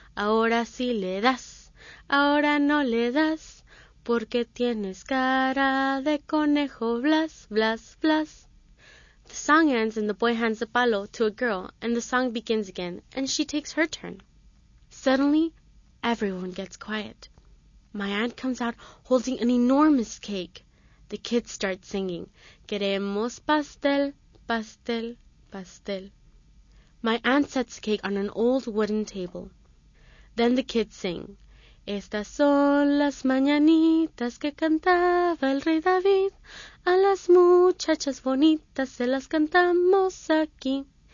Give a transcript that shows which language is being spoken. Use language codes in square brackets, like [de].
[es] Ahora sí le das, ahora no le das, porque tienes cara de conejo, blas, blas, blas. [en] The song ends and the boy hands the palo to a girl, and the song begins again, and she takes her turn. Suddenly, everyone gets quiet. My aunt comes out holding an enormous cake. The kids start singing, [es] queremos pastel, pastel, pastel. [en] My aunt sets the cake on an old wooden table. Then the kids sing, [es] estas son las mañanitas que cantaba el rey David, a las muchachas bonitas se las cantamos aquí.